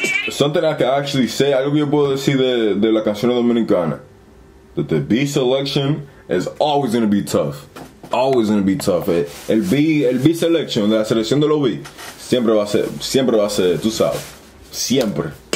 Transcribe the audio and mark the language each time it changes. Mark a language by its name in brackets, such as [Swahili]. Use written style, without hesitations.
[English] Something I can actually say, [Spanish] algo que yo puedo decir de la canción dominicana. [English] That the B selection is always gonna be tough. Always gonna be tough. [Spanish] El B selection, la selección de los B, siempre va a ser, tú sabes. Siempre.